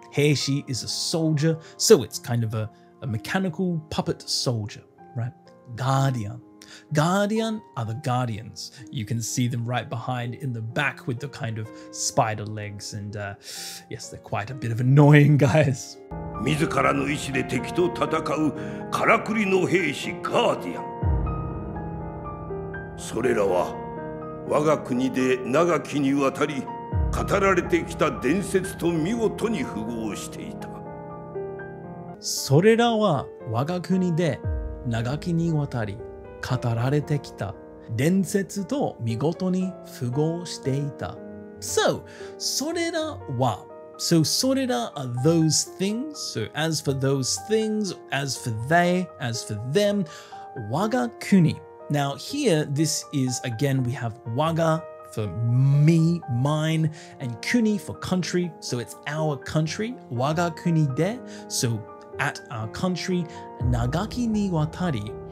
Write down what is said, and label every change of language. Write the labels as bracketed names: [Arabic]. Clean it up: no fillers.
[English] Heishi is a soldier, so it's kind of a mechanical puppet soldier, right? Guardian. Guardian are the guardians. You can see them right behind in the back with the kind of spider legs, and yes, they're quite a bit of annoying guys. [Japanese] 自らの意志で敵と戦うからくりの兵士ガーディアン。それらは我が国で長きにわたり語られてきた伝説と見事に符合していた。それらは我が国で長きにわたり語られてきた伝説と見事に符合していた。 [English] So, それらは So, それら are those things. So, as for those things, as for they, as for them, 我が国Now here, this is, again, we have waga for me, mine, and kuni for country. So it's our country, [Japanese] waga kuni de, [English] so at our country, [Japanese] nagaki ni watari.